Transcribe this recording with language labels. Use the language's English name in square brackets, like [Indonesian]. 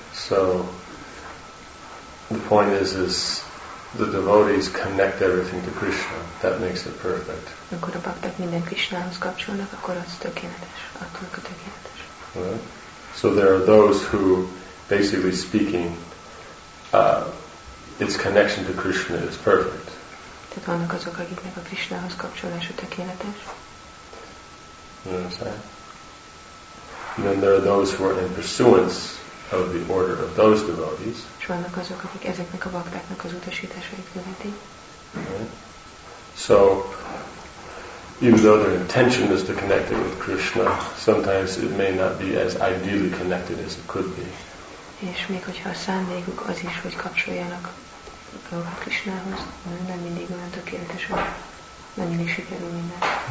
[English] So, the point is the devotees connect everything to Krishna. That makes it perfect. [Hungarian] Amikor a bhaktak minden Krishnához kapcsolnak, akkor az tökéletes. Attól a tökéletes. [English] So there are those who, basically speaking, its connection to Krishna is perfect. [Hungarian] Tehát vannak azok, akiknek a Krishnához kapcsolása tökéletes. [English] You know what I'm saying? And then there are those who are in pursuance of the order of those devotees. [Hungarian] És vannak azok, akik ezeknek a baktáknak az utasításait követi. [English] So, even though their intention is to connect it with Krishna, sometimes it may not be as ideally connected as it could be. [Hungarian] És még hogyha a szándékuk az is, hogy kapcsoljanak a Krishnához, nem mindig olyan tökéletes, hogy nem mindig sikerül minden.